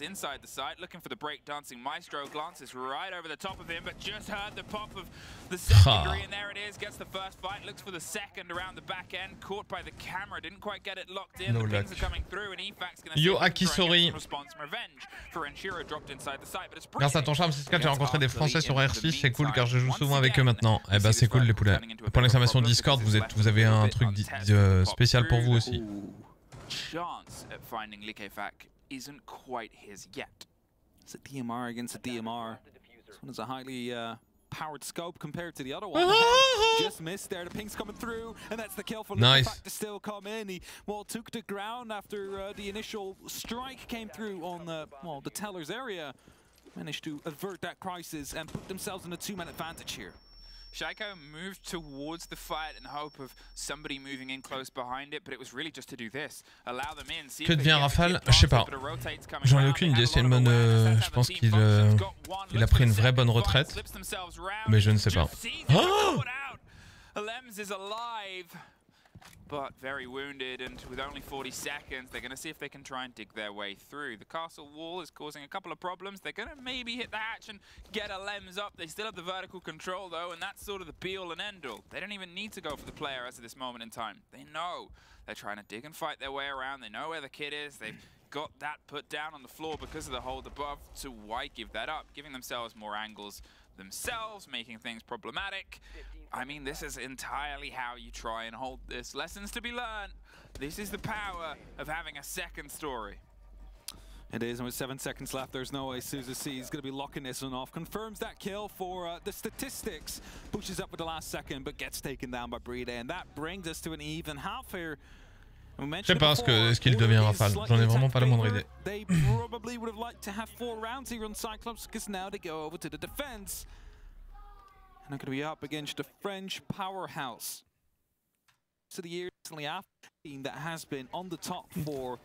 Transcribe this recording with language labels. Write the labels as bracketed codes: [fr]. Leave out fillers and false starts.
[en] Inside the site, looking for the break dancing Maestro, glances right over the top of him, but just heard the pop of the second degree, and there it is. Gets the first fight, looks for the second around the back end, caught by the camera, didn't quite get it locked in. No the luck. Pins are coming through, and EFAC's gonna yo, Akisori. Response revenge for Enchiro dropped inside the site, but it's [fr] grâce à ton charme, c'est ce que j'ai rencontré des Français sur RC. C'est cool car je joue souvent avec eux maintenant. Eh bah, ben, c'est cool, les poulets. Pour l'exclamation Discord, vous avez un truc spécial pour vous aussi. [en] Chance at finding Likefak isn't quite his yet. It's a DMR against a DMR. This one is a highly powered scope compared to the other one. Just missed there. The ping's coming through, and that's the kill for Nice. To still come in. He, well, took the ground after the initial strike came through on the, well, the teller's area. Managed to avert that crisis and put themselves in a 2-man advantage here. Shaiko moved towards the fight in the hope of somebody moving in close behind it, but it was really just to do this. Allow them in, see [fr] que devient Raphaël? Je sais pas. J'en ai aucune idée. C'est une bonne. Je pense qu'il il a pris une vraie bonne retraite. Mais je ne sais pas. Oh! [en] Lems is alive, but very wounded, and with only 40 seconds, they're going to see if they can try and dig their way through. The castle wall is causing a couple of problems. They're going to maybe hit the hatch and get a Lems up. They still have the vertical control, though, and that's sort of the be-all and end-all. They don't even need to go for the player as of this moment in time. They know they're trying to dig and fight their way around. They know where the kid is. They've got that put down on the floor because of the hold above. So why give that up? Giving themselves more angles themselves, making things problematic. I mean, this is entirely how you try and hold this. Lessons to be learned. This is the power of having a second story. It is, and with 7 seconds left, there's no way Sousa C is going to be locking this one off. Confirms that kill for the statistics. Pushes up with the last second, but gets taken down by Breeder. And that brings us to an even half here. [fr] Je sais pas ce qu'il devient Rafale, j'en ai vraiment pas la moindre idée. [en] They probably would have liked to have four rounds here on Cyclops, because now they go over to the defense. And I'm going to be up against a French powerhouse. So the year recently after team that has been on the top four.